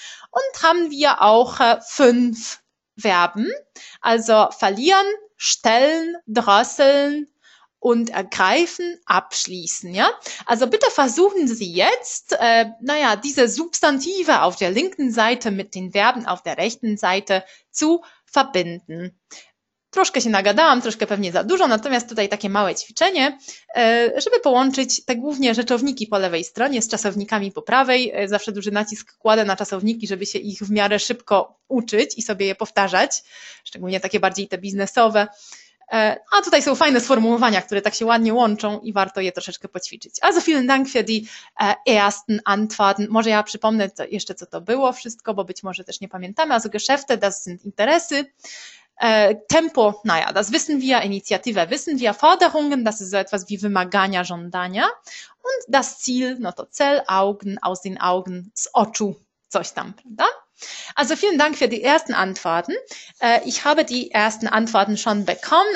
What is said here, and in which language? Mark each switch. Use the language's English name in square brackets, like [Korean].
[German] Und haben wir auch fünf Verben, also verlieren, stellen, drosseln, und ergreifen, abschließen, ja. Also bitte versuchen Sie jetzt, diese Substantive auf der linken Seite mit den Verben auf der rechten Seite zu verbinden. [Polish] Troszkę się nagadałam, troszkę pewnie za dużo, natomiast tutaj takie małe ćwiczenie, żeby połączyć te głównie rzeczowniki po lewej stronie z czasownikami po prawej. Zawsze duży nacisk kładę na czasowniki, żeby się ich w miarę szybko uczyć i sobie je powtarzać, szczególnie takie bardziej te biznesowe. A tutaj są fajne Sformułowania, które tak się ładnie łączą i warto je troszeczkę poćwiczyć. [German] Also vielen Dank für die ersten Antworten. [Polish] Może ja przypomnę to jeszcze, co to było wszystko, bo być może też nie pamiętamy. [German] Also Geschäfte, das sind Interesse. Tempo, naja, das wissen wir, Initiative wissen wir, Forderungen, das ist so etwas wie [Polish] wymagania, żądania. [German] Und das Ziel, [Polish] no to cel, Augen, [German] aus den Augen, [Polish] z oczu, coś tam, prawda? [German] Also vielen Dank für die ersten Antworten. Ich habe die ersten Antworten schon bekommen.